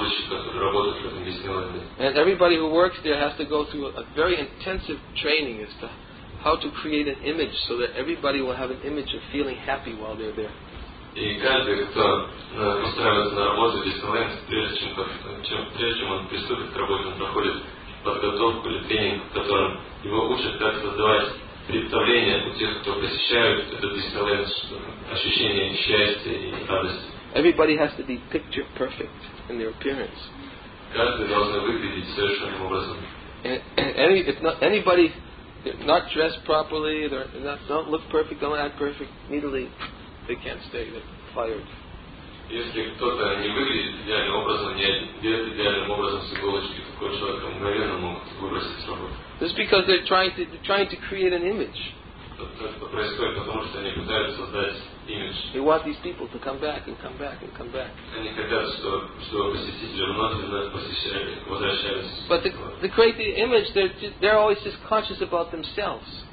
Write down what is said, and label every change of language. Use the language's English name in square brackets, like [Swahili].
[English] And everybody who works there has to go through a very intensive training as to how to create an image so that everybody will have an image of feeling happy while they're there. [Russian] И каждый, кто устраивается на работу в Disneyland, прежде чем он приступит к работе, он проходит подготовку или тренинг, в котором его учат, как создавать представление у тех, кто посещает этот Disneyland, ощущение счастья и радости. [English] Everybody has to be picture perfect in their appearance. [Russian] Каждый должен выглядеть совершенным образом. [English] Anybody not dressed properly, don't look perfect, don't act perfect, neatly, they can't stay, they're fired. [Russian] Если кто-то не выглядит идеальным образом, не одет идеальным образом с иголочки, такой человек мгновенно могут выбросить с работы. [English] It's because they're trying to create an image. [Russian] Это происходит потому, что они пытаются создать image. [English] They want these people to come back and come back and come back. [Russian] Они хотят, чтобы посетители вновь посещали, возвращались. [English] But to create the image, they're always just conscious about themselves.